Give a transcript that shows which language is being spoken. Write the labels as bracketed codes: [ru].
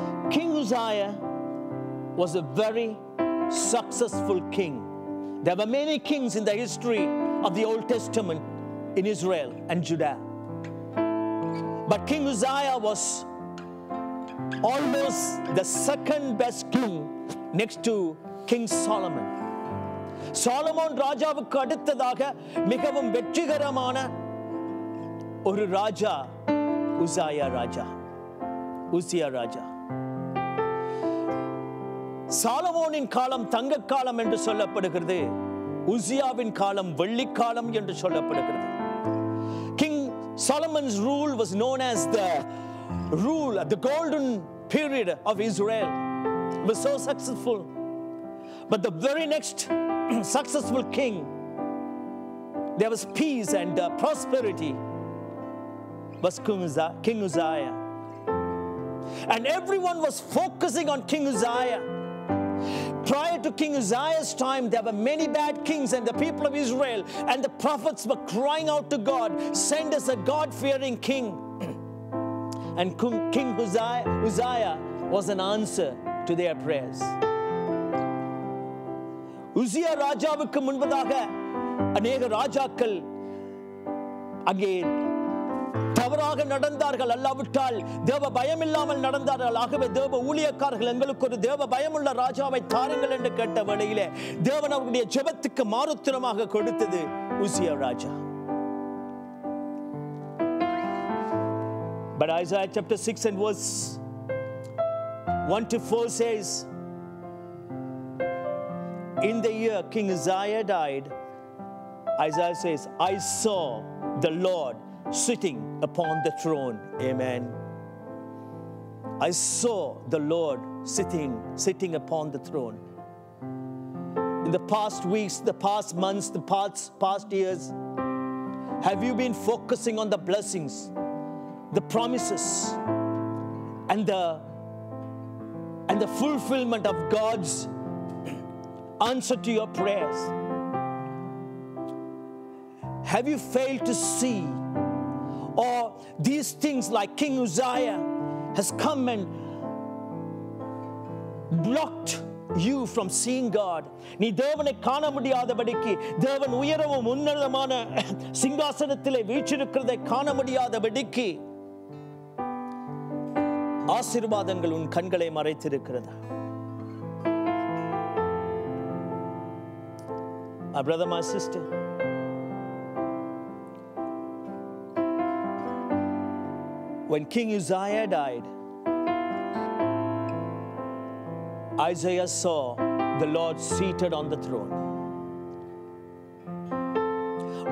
[en] King Uzziah was a very successful king. There were many kings in the history of the Old Testament in Israel and Judah. But King Uzziah was almost the second best king next to King Solomon. [ta] Solomon ராஜாவுக்கு அடுத்ததாக மிகவும் வெற்றிகரமான ஒரு ராஜா உசியா ராஜா. உசியா ராஜா சாலமோனின் காலம் தங்க காலம் என்று சொல்லப்படுகிறது. உசியாவின் காலம் வெள்ளி காலம் என்று சொல்லப்படுகிறது. [en] King Solomon's rule was known as the rule the golden period of Israel. Was so successful. But the very next successful king there was peace and prosperity was King Uzziah. And everyone was focusing on King Uzziah. Prior to King Uzziah's time, there were many bad kings and the people of Israel and the prophets were crying out to God, send us a God-fearing king. And King Uzziah was an answer to their prayers. [ta] உசியா ராஜாவுக்கு முன்பதாக அநேக ராஜாக்கள் அங்கே தவறாக நடந்தார்கள் அல்லாவிட்டால் தேவ பயம் இல்லாமல் நடந்தார்கள். ஆகவே தேவ ஊழியக்காரர்கள் எங்களுக்கு ஒரு தேவ பயமுள்ள ராஜாவை தாருங்கள் என்று கேட்ட வேளையிலே தேவன் அவருடைய ஜெபத்துக்கு மாறுத்திரமாக கொடுத்தது உசியா ராஜா. [en] But Isaiah chapter 6 and verse 1 to 4 says, in the year King Uzziah died, Isaiah says, I saw the Lord sitting upon the throne. Amen. I saw the Lord sitting upon the throne. In the past weeks, the past months, the past years, have you been focusing on the blessings, the promises, and the fulfillment of God's answer to your prayers? Have you failed to see? Or these things like King Uzziah has come and blocked you from seeing God. [ta] நீ தேவனை காண முடியாதபடிக்கு, தேவன் உயரமும் உன்னதமான சிங்காசனத்திலே வீற்றிருக்கிறதை காண முடியாதபடிக்கு ஆசீர்வாதங்கள் உன் கண்களை மறைத்திருக்கிறது. [en] My brother, my sister, when King Uzziah died, Isaiah saw the Lord seated on the throne.